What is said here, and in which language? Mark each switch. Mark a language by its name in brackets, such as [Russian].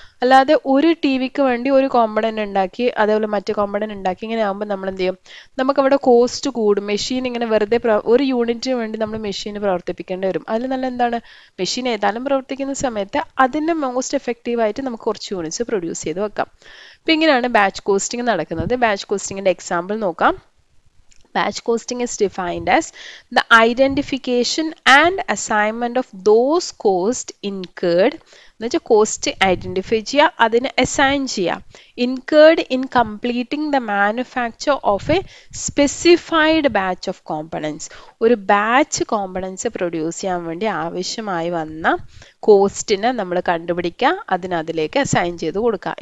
[Malayalam] അല്ലാതെ ഒരു ടി വിക്ക് വേണ്ടി ഒരു കോമ്പണൻറ്റ് ഉണ്ടാക്കി അതേപോലെ മറ്റു കോമ്പണൻറ്റ് ഉണ്ടാക്കി ഇങ്ങനെ ആകുമ്പോൾ നമ്മൾ എന്ത് ചെയ്യും, നമുക്കവിടെ കോസ്റ്റ് കൂടും. മെഷീൻ ഇങ്ങനെ വെറുതെ ഒരു യൂണിറ്റിന് വേണ്ടി നമ്മൾ മെഷീൻ പ്രവർത്തിപ്പിക്കേണ്ടി വരും. അതിൽ നല്ല എന്താണ്, മെഷീൻ ഏതാനും പ്രവർത്തിക്കുന്ന സമയത്ത് അതിൻ്റെ മോസ്റ്റ് എഫക്റ്റീവായിട്ട് നമുക്ക് കുറച്ച് യൂണിറ്റ്സ് പ്രൊഡ്യൂസ് ചെയ്ത് വെക്കാം. ഇപ്പം ഇങ്ങനെയാണ് ബാച്ച് കോസ്റ്റിംഗ് നടക്കുന്നത്. ബാച്ച് കോസ്റ്റിങ്ങിൻ്റെ എക്സാമ്പിൾ നോക്കാം. [English] Batch costing is defined as the identification and assignment of those costs incurred. [Malayalam] എന്നു വെച്ചാൽ കോസ്റ്റ് ഐഡൻറ്റിഫൈ ചെയ്യുക, അതിന് അസൈൻ ചെയ്യുക. [English] Incurred in completing the manufacture of a specified batch of components. [Malayalam] ഒരു batch components produce ചെയ്യാൻ വേണ്ടി ആവശ്യമായി വന്ന കോസ്റ്റിനെ നമ്മൾ കണ്ടുപിടിക്കുക, അതിനതിലേക്ക് അസൈൻ ചെയ്ത് കൊടുക്കുക.